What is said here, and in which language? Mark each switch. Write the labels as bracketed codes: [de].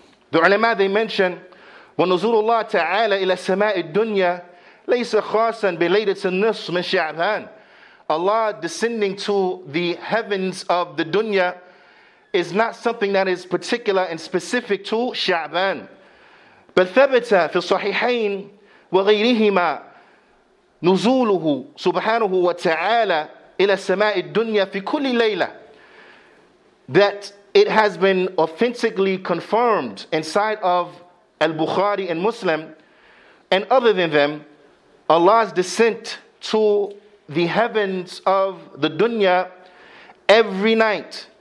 [en] The ulama, they mention, [ar] وَنُزُولُ اللَّهِ تَعَالَى إِلَى السَّمَاءِ الدُّنْيَا لَيْسَ خَاسًا بِلَيْلَةِ النِّصْفِ مِنْ شَعْبَانِ. [en] Allah descending to the heavens of the dunya is not something that is particular and specific to Sha'ban. [ar] بَلْ ثَبَتَ فِي الصَّحِحَيْنِ وغيرهما نزوله سبحانه وتعالى إلى السماء الدنيا في كل ليلة. [en] That it has been authentically confirmed inside of Al-Bukhari and Muslim. And other than them, Allah's descent to the heavens of the dunya every night.